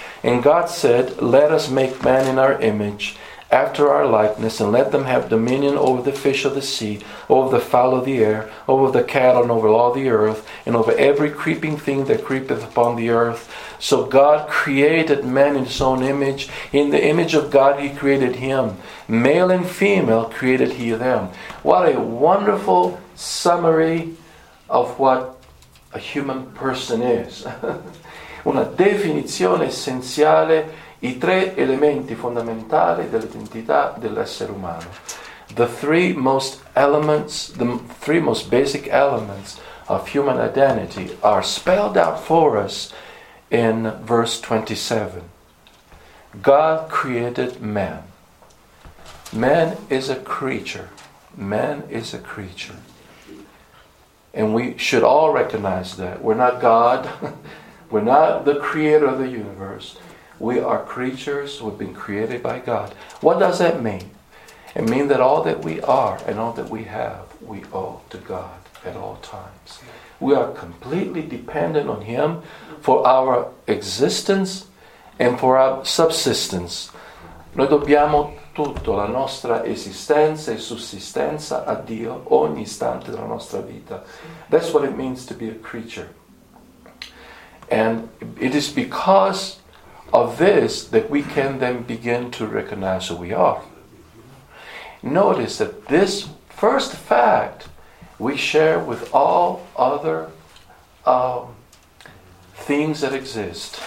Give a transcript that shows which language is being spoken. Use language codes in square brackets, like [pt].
[en] And God said, "Let us make man in our image, after our likeness, and let them have dominion over the fish of the sea, over the fowl of the air, over the cattle, and over all the earth, and over every creeping thing that creepeth upon the earth." So God created man in His own image. In the image of God He created him. Male and female created He them. What a wonderful summary of what a human person is. [it] Una definizione essenziale, i tre elementi fondamentali dell'identità dell'essere umano. [en] The three most elements, the three most basic elements of human identity are spelled out for us in verse 27. God created man. Man is a creature. Man is a creature. And we should all recognize that. We're not God. We're not the creator of the universe. We are creatures. We've been created by God. What does that mean? It means that all that we are and all that we have, we owe to God at all times. We are completely dependent on Him for our existence and for our subsistence. [it] Noi dobbiamo tutto, la nostra esistenza e sussistenza a Dio ogni istante della nostra vita. [en] That's what it means to be a creature. And it is because of this that we can then begin to recognize who we are. Notice that this first fact we share with all other things that exist.